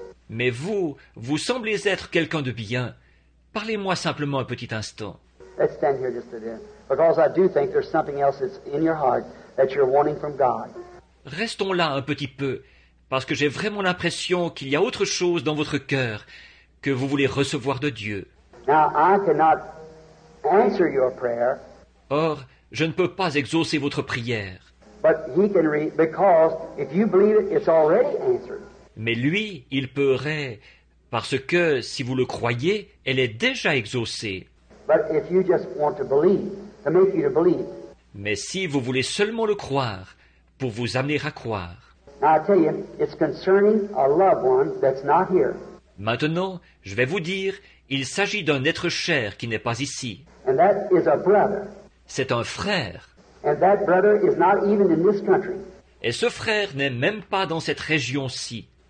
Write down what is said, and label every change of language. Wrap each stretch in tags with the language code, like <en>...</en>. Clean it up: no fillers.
<fr>Mais vous semblez être quelqu'un de bien. Parlez-moi simplement un petit instant.</fr> <en>Let's stand here just a bit. Because I do think there's something else that's in your heart that you're wanting from God.</en> <fr>Restons là un petit peu, parce que j'ai vraiment l'impression qu'il y a autre chose dans votre cœur que vous voulez recevoir de Dieu.</fr> <en>Now, I cannot answer your prayer.</en> <fr>Or, je ne peux pas exaucer votre prière.</fr> <en>But he can read, because if you believe it, it's already answered.</en> <fr>Mais lui, il pourrait, parce que si vous le croyez, elle est déjà exaucée.</fr> <en>But if you just want to believe, to make you to believe.</en> <fr>Mais si vous voulez seulement le croire, pour vous amener à croire.</fr> <en>Now, I tell you, it's concerning a loved one that's not here.</en> <fr>Maintenant, je vais vous dire, il s'agit d'un être cher qui n'est pas ici.</fr> <en>And that is a brother.</en> <fr>C'est un frère.</fr> <en>And that brother is not even in this country.</en> <fr>Et ce frère n'est même pas dans cette région-ci.</fr>